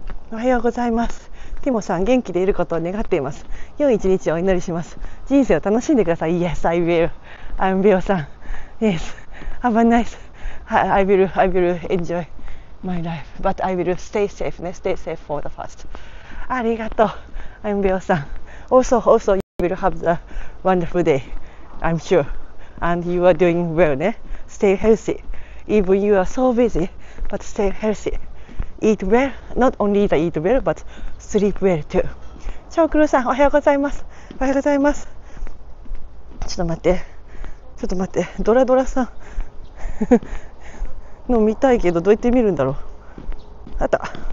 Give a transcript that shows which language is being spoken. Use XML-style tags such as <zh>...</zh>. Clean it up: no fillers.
<ja>おはようございます。ティモさん、元気でいることを願っています。良い一日をお祈りします。人生を楽しんでください。</ja> <en>Yes, I will. アンビオさん、 Yes, have a nice I will enjoy my life, but I will stay safe, ね、stay safe for the first.</en> <ja>ありがとう、アンビオさん。</ja> <en>Also, you will have a wonderful day, I'm sure, and you are doing well, ね。 Stay healthy, even you are so busy, but stay healthy. Eat well, not only the eat well, but sleep well too.</en> <ja>チョークルーさん、おはようございます。ちょっと待って、ドラドラさんの見たいけど、どうやって見るんだろう。あった。</ja>